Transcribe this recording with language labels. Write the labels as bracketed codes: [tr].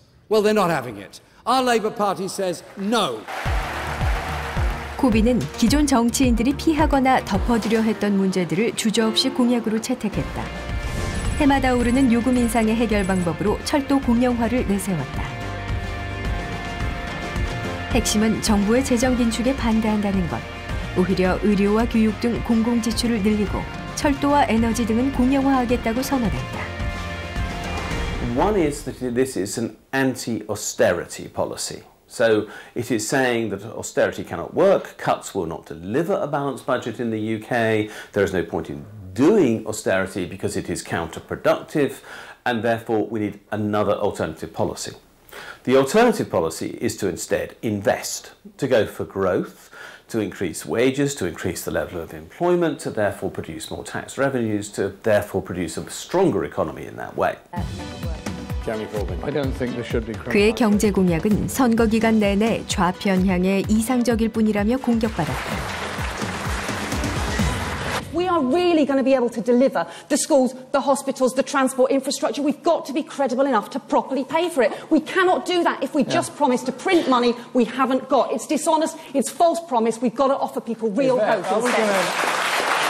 [en] Well, they're not having it. Our Labour Party says no. [ko] 코빈은 기존 정치인들이 피하거나 덮어두려 했던 문제들을 주저없이 공약으로 채택했다. 해마다 오르는 요금 인상의 해결 방법으로 철도 공영화를 내세웠다. 핵심은 정부의 재정 긴축에 반대한다는 것. 오히려 의료와 교육 등 공공 지출을 늘리고 철도와 에너지 등은 공영화하겠다고 선언했다. [en] One is that this is an anti-austerity policy. So it is saying that austerity cannot work, cuts will not deliver a balanced budget in the UK. There is no point in doing austerity because it is counterproductive, and therefore we need another alternative policy. The alternative policy is to instead invest, to go for growth, to increase wages, to increase the level of employment, to therefore produce more tax revenues, to therefore produce a stronger economy in that way. Jeremy Corbyn. I don't think there should be. [ko] 그의 경제 공약은 선거 기간 내내 좌편향에 이상적일 뿐이라며 공격받았다. [en] We are really going to be able to deliver the schools, the hospitals, the transport infrastructure. We've got to be credible enough to properly pay for it. We cannot do that if we just promise to print money we haven't got. It's dishonest, it's false promise. We've got to offer people real hope instead.